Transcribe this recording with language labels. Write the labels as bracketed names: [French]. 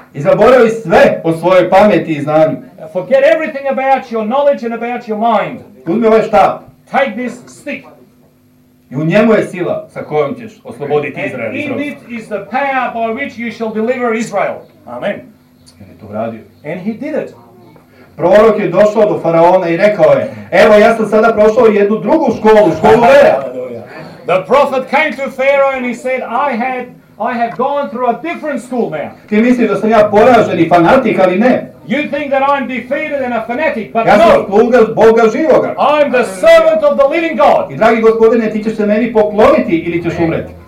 [Serbian] I zaboravi sve o svojoj pameti i znanju. [English] Forget everything about your knowledge and about your mind. [Serbian] Uzmi ovaj štab. [English] Take this stick. [Serbian] I u njemu je sila sa kojom ćeš osloboditi Izrael. [English] And in it is the power by which you shall deliver Israel. Amen. [Serbian] Jer je to uradio. [English] And he did it. [Serbian] Prorok je došao do faraona i rekao je, evo ja sam sada prošao jednu drugu školu, školu vera. [English] The prophet came to Pharaoh and he said, I have gone through a different school now. [Serbian] Ti misliš da sam ja poražen i fanatik, ali ne. [English] You think that I'm defeated and a fanatic, but [Serbian] ja [English] no. [Serbian] Ja sam sluga Boga živoga. [English] I'm the servant of the living God. [Serbian] I dragi gospodine, ti ćeš se meni pokloniti ili ćeš umreti.